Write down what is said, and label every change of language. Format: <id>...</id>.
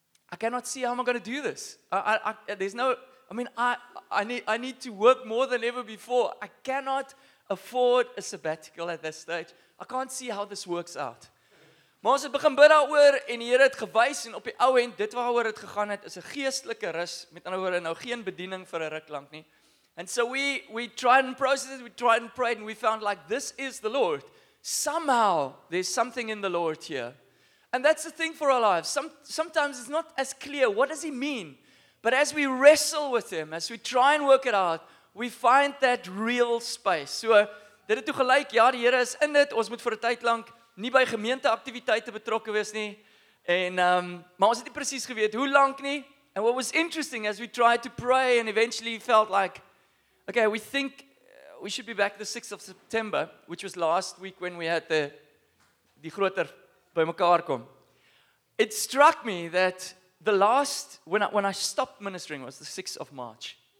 <en>I cannot see how I'm going to do this. I need to work more than ever before. I cannot afford a sabbatical at this stage. I can't see how this works out.</en> <af>Maar ons het begin bid daaroor en die Here het gewys en op die ou end dit waaroor het gegaan het is 'n geestelike rus, met ander woorde nou geen bediening vir 'n ruk lank nie.</af> <en>And so we tried and processed, we tried and prayed and we found like this is the Lord. Somehow there's something in the Lord here. And that's the thing for our lives. Sometimes it's not as clear. What does He mean? But as we wrestle with Him, as we try and work it out, we find that real space.</en> <af>So, dit het toe gelyk, ja, die Here is in dit. Ons moet vir 'n tyd lank nie by gemeenteaktiwiteite betrokke wees nie. En, maar ons het nie precies geweet hoe lank nie.</af> <en>And what was interesting, as we tried to pray and eventually felt like, okay, we think we should be back the 6th of September, which was last week when we had</en> <af>die groter by mekaar kom.</af> <en>It struck me that the last, when I stopped ministering was the 6th of March.</en>